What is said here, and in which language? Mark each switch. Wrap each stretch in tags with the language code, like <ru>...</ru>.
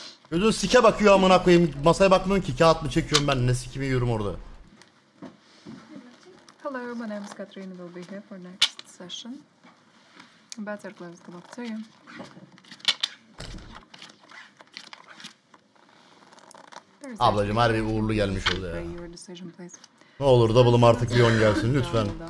<tr>Gözün sike bakıyor amına koyayım. Masaya bakmıyorum ki kağıt mı çekiyorum ben. Ne sikimi yiyorum orada.</tr> <en>Hello, my name is Katrina. We'll be here for next session. Better close the book to you.</en> <tr>Ablacım harbi uğurlu gelmiş oldu ya. Ne olur double'ım artık bir 10 gelsin lütfen.</tr>